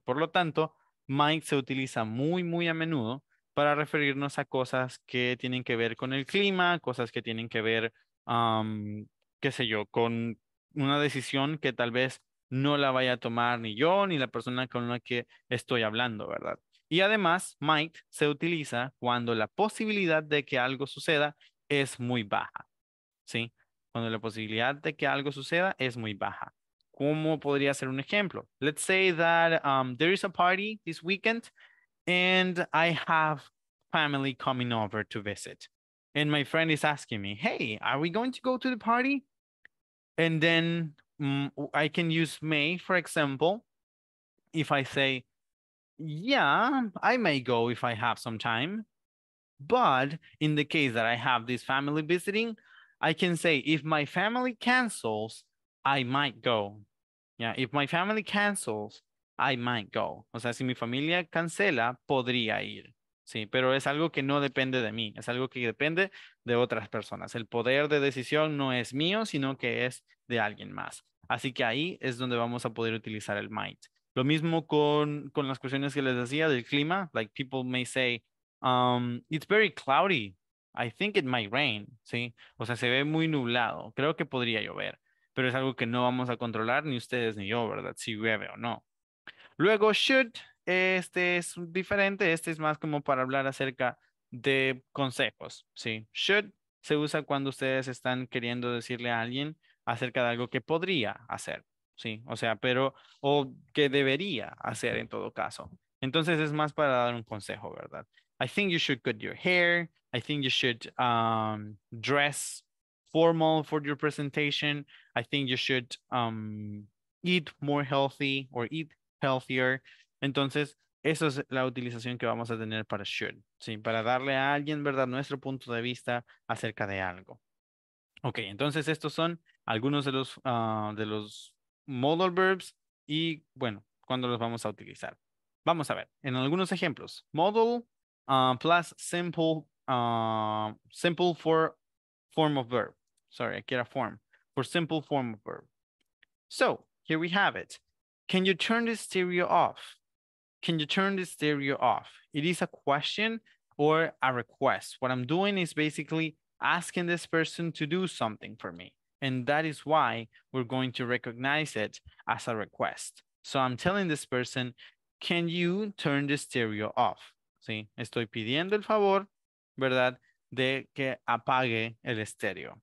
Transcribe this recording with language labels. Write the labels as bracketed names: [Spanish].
[Spanish] Por lo tanto, might se utiliza muy, muy a menudo para referirnos a cosas que tienen que ver con el clima, cosas que tienen que ver, qué sé yo, con una decisión que tal vez no la vaya a tomar ni yo ni la persona con la que estoy hablando, ¿verdad? Y además, might se utiliza cuando la posibilidad de que algo suceda es muy baja, ¿sí? Cuando la posibilidad de que algo suceda es muy baja. ¿Cómo podría ser un ejemplo? [English] Let's say that there is a party this weekend and I have family coming over to visit. And my friend is asking me, hey, are we going to go to the party? And then I can use may, for example, if I say, yeah, I may go if I have some time. But in the case that I have this family visiting, I can say, if my family cancels, I might go. Yeah, if my family cancels, I might go. [Spanish] O sea, si mi familia cancela, podría ir. Sí, pero es algo que no depende de mí. Es algo que depende de otras personas. El poder de decisión no es mío, sino que es de alguien más. Así que ahí es donde vamos a poder utilizar el might. Lo mismo con las cuestiones que les decía del clima. [English] Like people may say, it's very cloudy. I think it might rain. [Spanish] Sí, o sea, se ve muy nublado. Creo que podría llover. Pero es algo que no vamos a controlar ni ustedes ni yo, ¿verdad? Si llueve o no. Luego, should. Este es diferente. Este es más como para hablar acerca de consejos. Sí, should se usa cuando ustedes están queriendo decirle a alguien acerca de algo que podría hacer. Sí, o sea, pero, o que debería hacer en todo caso. Entonces es más para dar un consejo, ¿verdad? [English] I think you should cut your hair. I think you should dress formal for your presentation. I think you should eat more healthy or eat healthier. [Spanish] Entonces, esa es la utilización que vamos a tener para should, ¿sí? Para darle a alguien, ¿verdad?, nuestro punto de vista acerca de algo. Ok, entonces estos son algunos de los modal verbs y, bueno, cuándo los vamos a utilizar. Vamos a ver, en algunos ejemplos. [English] Modal plus simple for form of verb. Sorry, [Spanish] aquí era [English] form. For simple form of verb. So, here we have it. Can you turn the stereo off? Can you turn the stereo off? It is a question or a request. What I'm doing is basically asking this person to do something for me. And that is why we're going to recognize it as a request. So I'm telling this person, can you turn the stereo off? [Spanish] Sí, estoy pidiendo el favor, ¿verdad?, de que apague el estéreo.